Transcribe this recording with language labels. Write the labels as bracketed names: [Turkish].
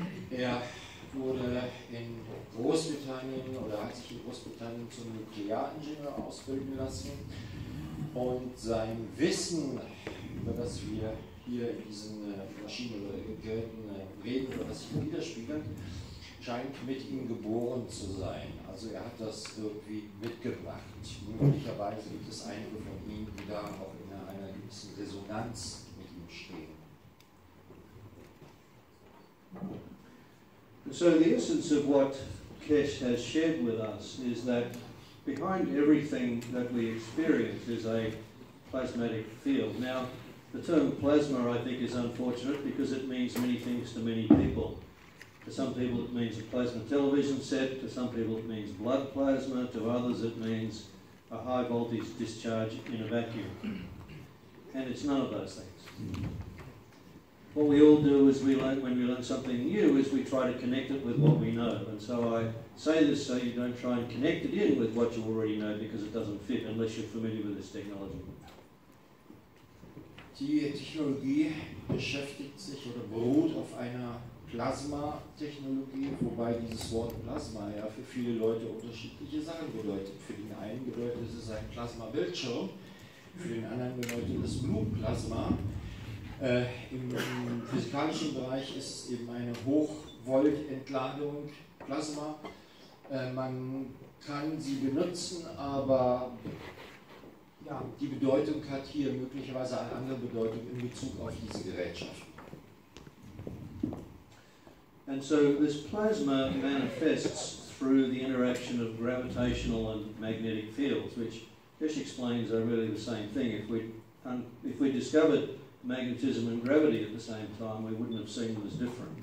[German] Er wurde in Großbritannien oder hat sich in Großbritannien zum Nuklearingenieur ausbilden lassen, und sein Wissen, über das wir hier in diesen Maschinen oder Geräten reden oder was sich widerspiegelt, scheint mit ihm geboren zu sein. Also er hat das irgendwie mitgebracht. Möglicherweise gibt es einige von ihnen, die da auch in einer gewissen Resonanz mit ihm stehen. [English] So the essence of what Keshe has shared with us is that behind everything that we experience is a plasmatic field. Now, the term plasma, I think, is unfortunate because it means many things to many people. To some people it means a plasma television set, to some people it means blood plasma, to others it means a high voltage discharge in a vacuum. And it's none of those things. What we all do is when we learn something new is we try to connect it with what we know. And so I say this so you don't try and connect it in with what you already know, because it doesn't fit unless you're familiar with this technology. [German] Die Technologie beschäftigt sich oder beruht auf einer Plasma-Technologie, wobei dieses Wort Plasma ja für viele Leute unterschiedliche Sachen bedeutet. Für den einen bedeutet es ein Plasma-Bildschirm, für den anderen bedeutet es Blutplasma. Im physikalischen Bereich ist es eben eine Hochvoltentladung Plasma. Man kann sie benutzen, aber ja, die Bedeutung hat hier möglicherweise eine andere Bedeutung in Bezug auf diese Gerätschaften. [English] And so this plasma manifests through the interaction of gravitational and magnetic fields, which Kish explains are really the same thing. If we discovered magnetism and gravity at the same time, we wouldn't have seen them as different.